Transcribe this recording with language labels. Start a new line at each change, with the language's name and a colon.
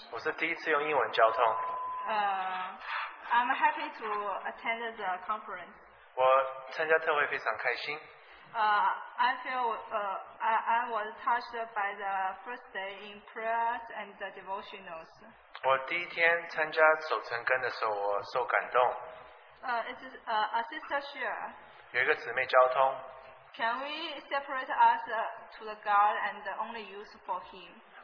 English: I'm happy to attend the conference. I was touched by the first day in prayers and the devotionals.
Chinese: 我第一天参加守成根的时候，我受感动。
English: It's a sister share.
Chinese: 有一个姊妹交通。
English: Can we separate us to the God and only use for Him?